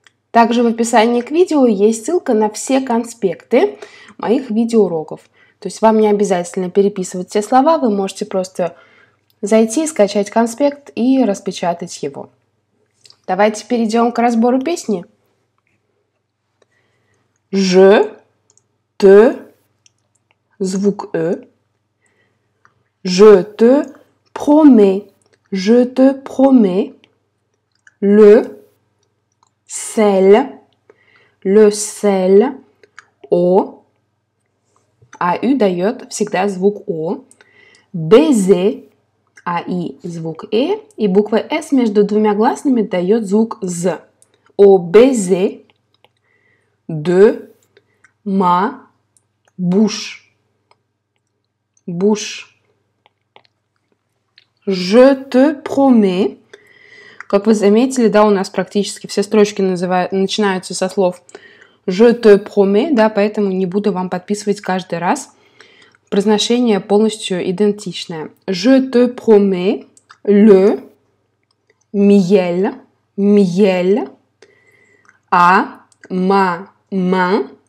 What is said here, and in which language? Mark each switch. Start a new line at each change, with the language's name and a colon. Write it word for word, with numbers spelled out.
Russian: Также в описании к видео есть ссылка на все конспекты моих видеоуроков. То есть вам не обязательно переписывать все слова, вы можете просто зайти, скачать конспект и распечатать его. Давайте перейдем к разбору песни.
French: Je te,
Russian: звук «э»,
French: je te promets. Je te promets le sel,
Russian: le sel, O, АЮ дает всегда звук О, baiser, АИ звук Э, и буква С между двумя гласными дает звук З.
French: Au baiser de ma bouche, bouche. «Je te promets».
Russian: Как вы заметили, да, у нас практически все строчки называют, начинаются со слов
French: «Je te promets»,
Russian: да, поэтому не буду вам подписывать каждый раз. Произношение полностью идентичное.
French: «Je te promets le miel, miel à ma main».